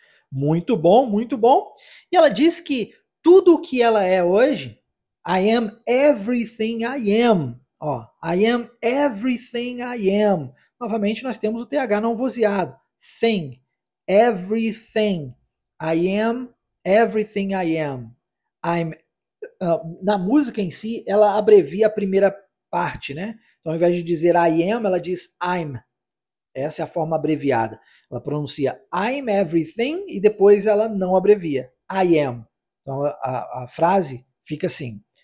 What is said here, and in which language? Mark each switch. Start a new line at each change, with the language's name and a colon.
Portuguese: Muito bom, muito bom. E ela diz que tudo o que ela é hoje,
English: I am everything I am.
Portuguese: Ó,
English: I am everything I am.
Portuguese: Novamente, nós temos o TH não vozeado.
English: Thing, everything, I am, everything I am.
Portuguese: I'm, na música em si, ela abrevia a primeira parte, né? Então, ao invés de dizer I am, ela diz I'm. Essa é a forma abreviada. Ela pronuncia
English: I'm everything
Portuguese: e depois ela não abrevia. I am. Então, a frase fica assim.